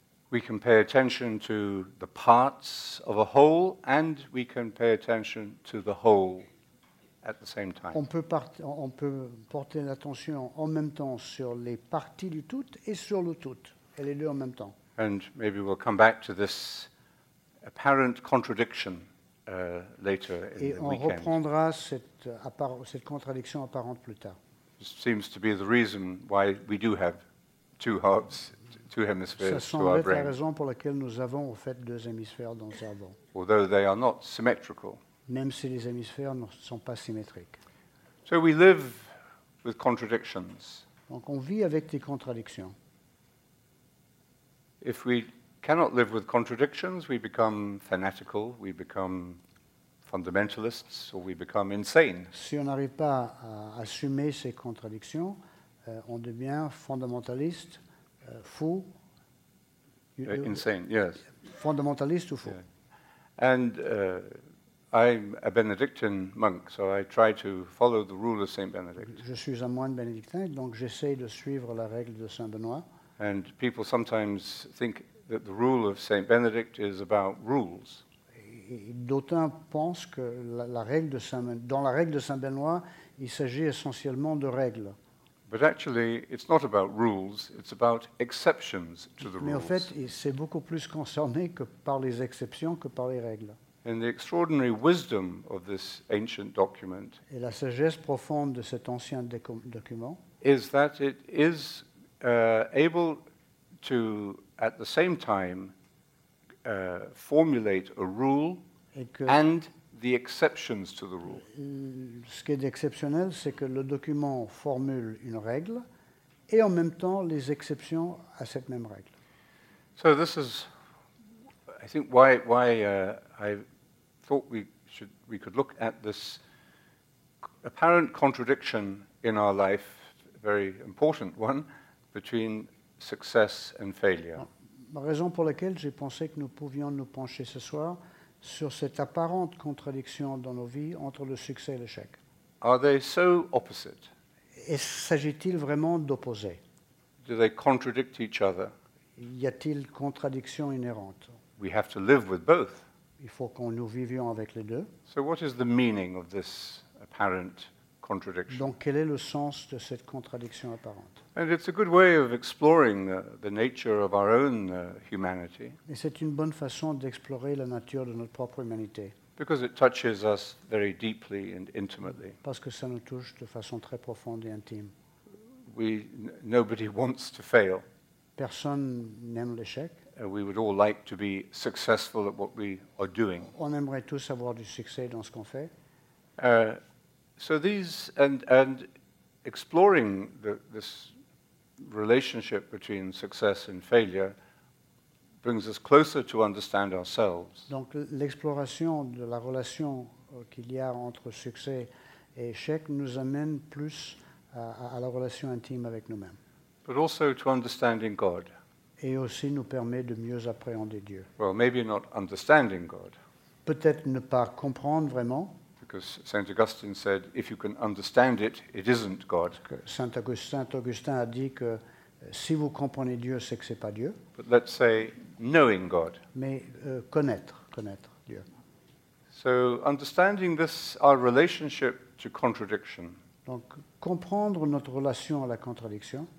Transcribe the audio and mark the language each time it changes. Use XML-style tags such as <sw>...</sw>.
<en>We can pay attention to the parts of a whole and we can pay attention to the whole at the same time.</en> <fr>On peut porter l'attention en même temps sur les parties du tout et sur le tout. Et les deux en même temps.</fr> <en>And maybe we'll come back to this apparent contradiction later in the weekend.</en> <fr>Et on reprendra cette contradiction apparente plus tard.</fr> <en>It seems to be the reason why we do have two halves, two hemispheres to our brain.</en> <fr>Ça semble être la raison pour laquelle nous avons en fait deux hémisphères dans le cerveau.</fr> <en>Although they are not symmetrical.</en> <fr>Même si les hémisphères ne sont pas symétriques.</fr> <en>So we live with contradictions.</en> <fr>Donc on vit avec des contradictions.</fr> <en>If we cannot live with contradictions, we become fanatical, we become fundamentalists, or we become insane.</en> <fr>Si on n'arrive pas à assumer ces contradictions, on devient fondamentaliste fou.</fr> <en>Insane, yes.</en> <fr>Fondamentaliste ou fou. Yeah.</fr> <en>And I'm a Benedictine monk, so I try to follow the rule of Saint Benedict.</en> <fr>Je suis un moine bénédictin, donc j'essaie de suivre la règle de Saint Benoît.</fr> <en>And people sometimes think that the rule of Saint Benedict is about rules.</en> <fr>D'autant pense que la règle de Saint Benoît, dans la règle de Saint Benoît, il s'agit essentiellement de règles.</fr> <en>But actually, it's not about rules, it's about exceptions to the rules.</en> <fr>Mais en fait, c'est beaucoup plus concerné que par les exceptions que par les règles.</fr> <en>And the extraordinary wisdom of this ancient document.</en> <fr>Et la sagesse profonde de cet ancien document.</fr> <en>Is that it is able to, at the same time, formulate a rule and the exceptions to the rule.</en> <fr>Ce qui est exceptionnel, c'est que le document formule une règle et en même temps les exceptions à cette même règle.</fr> <en>So this is, I think, why I thought we could look at this apparent contradiction in our life, a very important one, between success and failure.</en> <fr>La raison pour laquelle j'ai pensé que nous pouvions nous pencher ce soir sur cette apparente contradiction dans nos vies entre le succès et l'échec.</fr> <en>Are they so opposite?</en> <fr>Et s'agit-il vraiment d'opposés?</fr> <en>Do they contradict each other?</en> <fr>Y a-t-il contradiction inhérente?</fr> <en>We have to live with both.</en> <fr>Il faut qu'on nous vivions avec les deux.</fr> <en>So what is the meaning of this apparent contradiction?</en> <fr>Donc quel est le sens de cette contradiction apparente?</fr> <en>And it's a good way of exploring the nature of our own humanity.</en> <fr>Et c'est une bonne façon d'explorer la nature de notre propre humanité.</fr> <en>Because it touches us very deeply and intimately.</en> <fr>Parce que ça nous touche de façon très profonde et intime.</fr> <en>Nobody wants to fail.</en> <fr>Personne n'aime l'échec.</fr> <en>We would all like to be successful at what we are doing.</en> <fr>On aimerait tous avoir du succès dans ce qu'on fait.</fr> <en>So these and exploring this relationship between success and failure brings us closer to understand ourselves.</en> <fr>Donc l'exploration de la relation qu'il y a entre succès et échec nous amène plus à la relation intime avec nous-mêmes.</fr> <en>But also to understanding God.</en> <fr>Et aussi nous permet de mieux appréhender Dieu.</fr> <en>Well, maybe not understanding God.</en> <fr>Peut-être ne pas comprendre vraiment.</fr> <en>Because Saint Augustine said, if you can understand it, it isn't God.</en> <fr>Saint Augustin a dit que si vous comprenez Dieu, c'est que c'est pas Dieu.</fr> <en>But let's say knowing God.</en> <fr>Mais connaître Dieu.</fr> <en>So understanding this, our relationship to contradiction.</en> <fr>Donc comprendre notre relation à la contradiction.</fr>